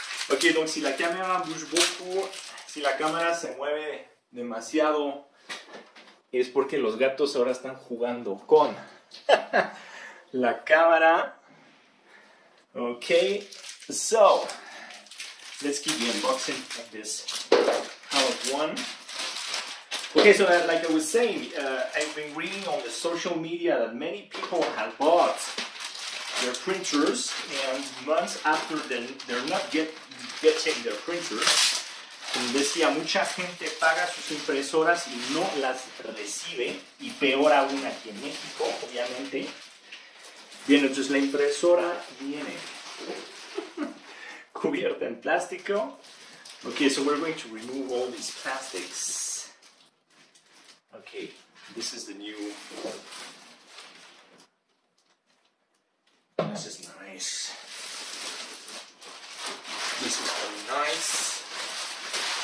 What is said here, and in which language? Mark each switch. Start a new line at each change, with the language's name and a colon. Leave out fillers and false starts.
Spanish: Okay,
French: donc si la caméra bouge beaucoup,
Spanish: si la cámara se mueve demasiado, es porque los gatos ahora están jugando con la cámara.
English: Okay, so let's keep the unboxing of this Halot One. Okay, so like I was saying, I've been reading on the social media that many people have bought their printers, and months after they're not getting their printers,
Spanish: como decía, mucha gente paga sus impresoras y no las recibe, y peor aún aquí en México, obviamente. Bien, entonces la impresora viene cubierta en plástico.
English: Okay, so we're going to remove all these plastics. Okay, this is the new... This is nice. This is very nice.